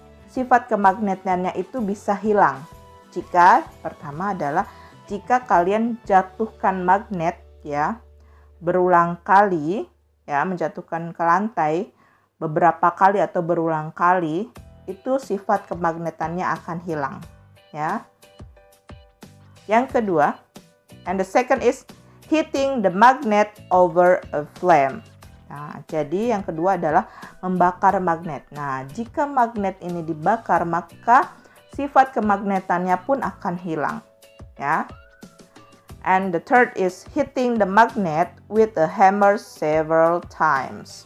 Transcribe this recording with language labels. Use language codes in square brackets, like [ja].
[id] Sifat kemagnetannya itu bisa hilang. Jika pertama adalah jika kalian jatuhkan magnet ya berulang kali ya menjatuhkan ke lantai beberapa kali atau berulang kali itu sifat kemagnetannya akan hilang ya. Yang kedua, [en] and the second is heating the magnet over a flame. [id] Nah, jadi yang kedua adalah membakar magnet. Nah, jika magnet ini dibakar maka sifat kemagnetannya pun akan hilang, ya. [en] And the third is hitting the magnet with a hammer several times.